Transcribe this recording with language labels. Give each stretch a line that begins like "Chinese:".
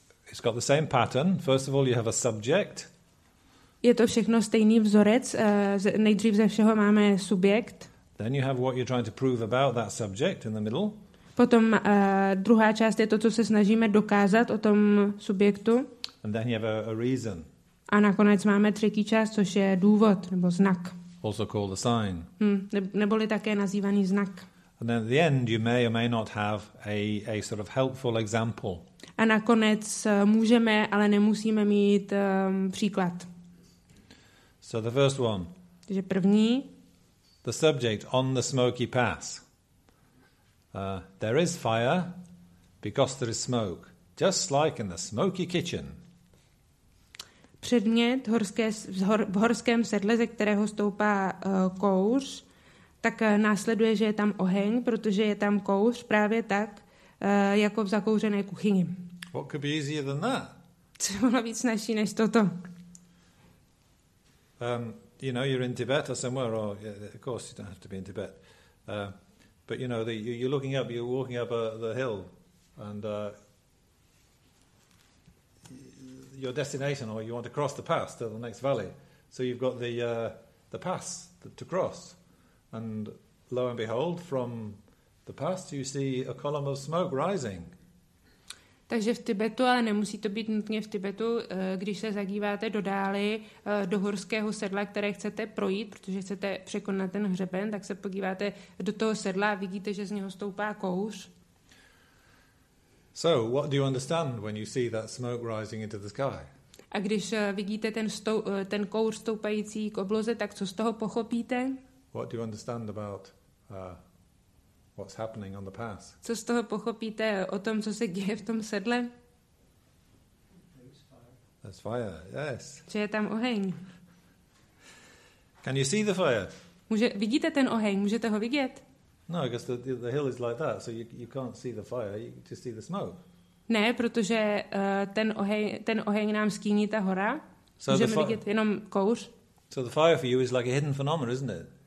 English: It's got the same pattern. First of all, you have a subject.
Czech: Je to všechno stejný vzorec, nejdřív ze všeho máme subjekt.
English: Then you have what you're trying to prove about that subject in the middle.
Czech: Potom druhá část je to, co se snažíme dokázat o tom subjektu.
English: And then you have a reason.
Czech: A nakonec máme třetí část, což je důvod nebo znak.
English: Also called a sign.
Czech: Neboli také nazývaný znak.
English: And then at the end you may or may not have a sort of helpful example.
Czech: A nakonec můžeme, ale nemusíme mít příklad.
English: So the first one.
Czech: Takže první.
English: The subject on the smoky pass. There is fire because there is smoke, just like in the smoky kitchen.
Czech: Předmět v horském sedle, ze kterého stoupá kouř, tak následuje, že je tam oheň, protože je tam kouř právě tak, jako v zakouřené kuchyni.
English: What could be easier than that?
Czech: Co bylo víc snažší než toto?
English: You know, you're in Tibet or somewhere, or yeah, of course you don't have to be in Tibet. But you know, you're looking up, you're walking up the hill, and your destination, or you want to cross the pass to the next valley. So you've got the pass to cross, and lo and behold, from the pass you see a column of smoke rising.
Czech: Takže v Tibetu, ale nemusí to být nutně v Tibetu, když se zadíváte do dály, do horského sedla, které chcete projít, protože chcete překonat ten hřeben, tak se podíváte do toho sedla a vidíte, že z něho stoupá kouř.
English: So, what do you understand when you see that smoke rising into the sky?
Czech: A když vidíte ten kouř stoupající k obloze, tak co z toho pochopíte?
English: What do you understand about what's happening on the pass?
Czech: Co z toho pochopíte o tom, co se děje v tom sedle?
English: There's fire. Yes.
Czech: Že je tam oheň.
English: Can you see the fire?
Czech: Vidíte ten oheň? Můžete ho vidět?
English: No, because the hill is like that, so you can't see the fire. You just see the smoke.
Czech: Ne, protože ten oheň nám skýní ta hora. So můžeme vidět jenom kouř.
English: So the fire for you is like a hidden phenomenon, isn't it?